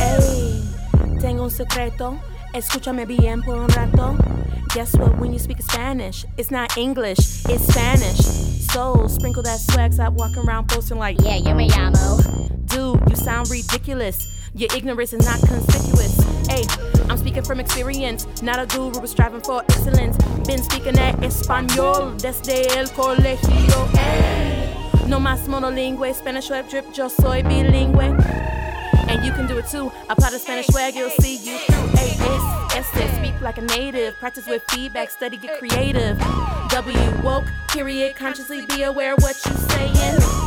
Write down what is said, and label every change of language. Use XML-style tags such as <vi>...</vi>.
<es>A, tengo un secreto, escúchame bien por un rato.</es> <en>Guess what, when you speak Spanish, it's not English, it's Spanish. So, sprinkle that swag, stop walking around posting like,</en> <es>yeah, yo me llamo.</es> <en>Dude, you sound ridiculous. Your ignorance is not conspicuous. Hey, I'm speaking from experience, not a guru striving for excellence. Been speaking that Espanol desde el colegio.</en> <es>Hey, no más monolingüe, Spanish web drip, yo soy bilingüe.</es> <en>And you can do it too, apply the Spanish swag, you'll see you through. Hey, Este, speak like a native, practice with feedback, study, get creative. W, woke, period, consciously be aware what you saying.</en>